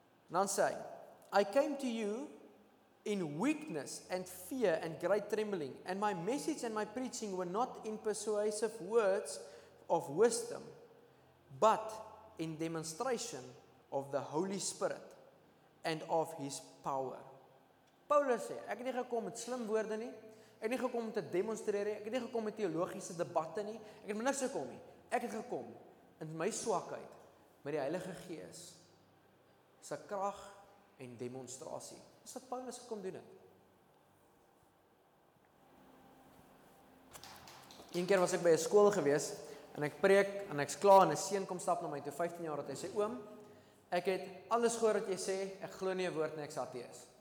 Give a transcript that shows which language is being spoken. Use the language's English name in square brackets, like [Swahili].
[English] Now say, I came to you in weakness and fear and great trembling, and my message and my preaching were not in persuasive words of wisdom, but in demonstration of the Holy Spirit and of His power. [Afrikaans] Paulus sê, ek het nie gekom met slim woorde nie, ek het nie gekom om te demonstreer nie, ek het nie gekom met teologiese debatte nie, ek het met niks gekom nie. Ek het gekom in my swakheid met die Heilige Gees, sy krag en demonstrasie. Dis wat Paulus gekom doen het. Een keer was ek by 'n skool gewees, en ek preek, en ek's klaar, en 'n seun kom stap na my toe, 15 jaar, dat hy sê, oom, ek het alles gehoor wat jy sê, ek glo nie 'n woord nie, ek's atees.